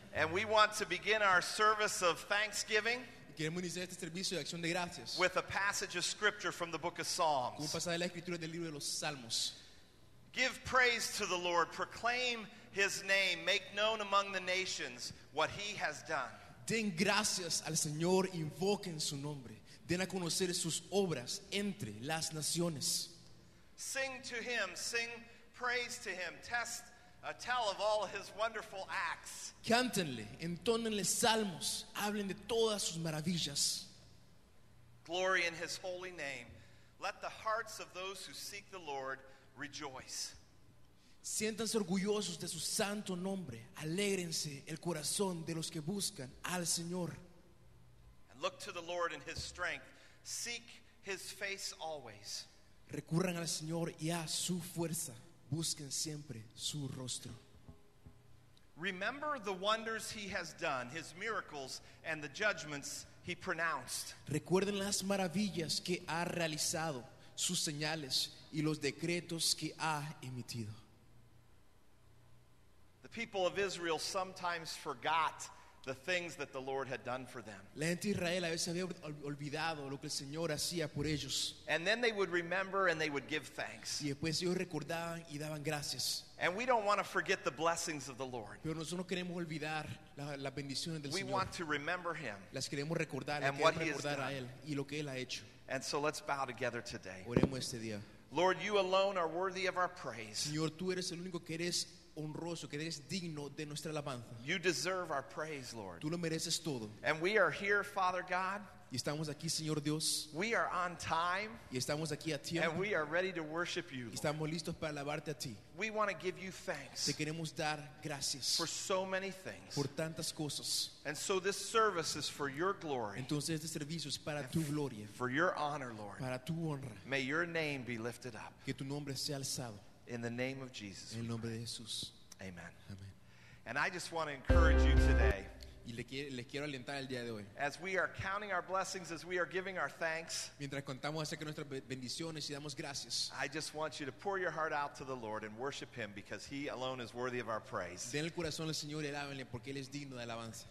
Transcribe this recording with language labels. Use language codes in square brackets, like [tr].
[en] And we want to begin our service of thanksgiving. [es] Queremos iniciar este servicio de acción de gracias. [en] With a passage of scripture from the book of Psalms. [es] Con un pasaje de la escritura del libro de los Salmos. [en] Give praise to the Lord, proclaim his name, make known among the nations what he has done. [es] Den gracias al Señor, invoquen su nombre. Den a conocer sus obras entre las naciones. [en] Sing to him, sing praise to him, tell of all his wonderful acts. [es] Cántenle, entónenle salmos, hablen de todas sus maravillas. [en] Glory in his holy name. Let the hearts of those who seek the Lord rejoice. [es] Siéntanse orgullosos de su santo nombre. Alégrense el corazón de los que buscan al Señor. [en] And look to the Lord in his strength. Seek his face always. [es] Recurran al Señor y a su fuerza. Busquen siempre su rostro. [en] Remember the wonders he has done, his miracles and the judgments he pronounced. [es] Recuerden las maravillas que ha realizado, sus señales y los decretos que ha emitido. [en] The people of Israel sometimes forgot the things that the Lord had done for them. [es] La gente de Israel a veces había olvidado lo que el Señor hacía por ellos. [en] And then they would remember and they would give thanks. [es] Y después ellos recordaban y daban gracias. [en] And we don't want to forget the blessings of the Lord. [es] Pero nosotros no queremos olvidar las bendiciones del Señor. [en] We want to remember him. [es] Las queremos recordar, las queremos recordar a él y lo que él ha hecho. [en] And so let's bow together today. [es] Oremos este día. [en] Lord, you alone are worthy of our praise. [es] Señor, tú eres el único que eres honroso, que eres digno de nuestra alabanza. [en] You deserve our praise, Lord. [es] Tú lo mereces todo. [en] And we are here, Father God. [es] Y estamos aquí, Señor Dios. [en] We are on time. [es] Y estamos aquí a tiempo. [en] And we are ready to worship you. [es] Y estamos listos para alabarte a ti. [en] We want to give you thanks. [es] Te queremos dar gracias. [en] For so many things. [es] Por tantas cosas. [en] And so this service is for your glory. [es] Entonces este servicio es para tu gloria. [en] For your honor, Lord. [es] Para tu honra. [en] May your name be lifted up. [es] Que tu nombre sea alzado. [en] In the name of Jesus. [es] En el nombre de Jesús. [en] Amen. [es] Amen. [en] And I just want to encourage you today. [es] Y le quiero alentar el día de hoy. [en] As we are counting our blessings, as we are giving our thanks. [es] Mientras contamos acerca de nuestras bendiciones y damos gracias. [en] I just want you to pour your heart out to the Lord and worship him because he alone is worthy of our praise. [es] Den el corazón al Señor y alábenle porque él es digno de alabanza.